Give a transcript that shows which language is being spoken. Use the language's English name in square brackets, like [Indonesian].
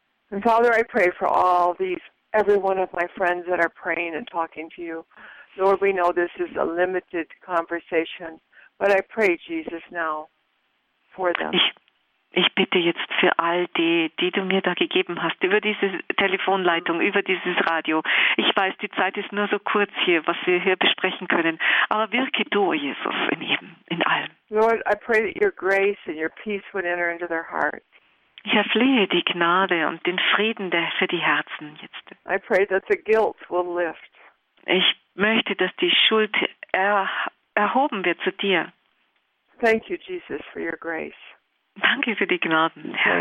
[English] And Father, I pray for all these, every one of my friends that are praying and talking to you. Lord, we know this is a limited conversation, but I pray, Jesus, now for them. [German] Ich bitte jetzt für all die, die du mir da gegeben hast, über diese Telefonleitung, über dieses Radio. Ich weiß, die Zeit ist nur so kurz hier, was wir hier besprechen können. Aber wirke du, Jesus, in jedem, in allem. [English] Lord, I pray that your grace and your peace would enter into their hearts. [German] Ich erflehe die Gnade und den Frieden für die Herzen jetzt. [English] I pray that the guilt will lift. [German] Ich möchte, dass die Schuld erhoben wird zu dir. [English] Thank you, Jesus, for your grace. [German] Danke für die Gnaden, Herr